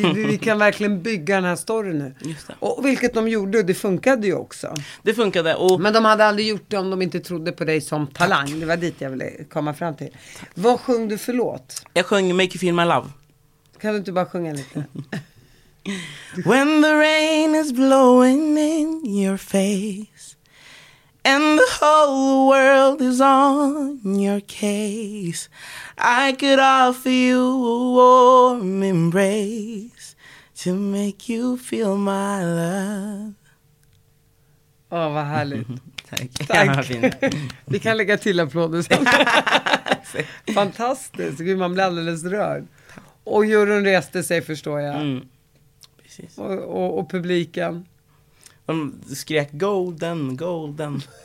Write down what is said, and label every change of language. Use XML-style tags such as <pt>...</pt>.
<sv>Vi kan verkligen bygga den här storyn nu. Just det. Och vilket de gjorde, det funkade ju också. Det funkade. Och... Men de hade aldrig gjort det om de inte trodde på dig som talang. Tack. Det var dit jag ville komma fram till. Tack. Vad sjöng du för låt? Jag sjöng Make You Feel My Love. Kan du inte bara sjunga lite?</sv> <en>When the rain is blowing in your face and the whole world is on your case, I could offer you a warm embrace to make you feel my love.</en> <sv>Åh, vad härligt. Tack. Vi kan lägga till applåder. Fantastiskt. Gud, man blir alldeles rörd. Och juryn reste sig, förstår jag. Och publiken. De skrek golden, golden.</sv>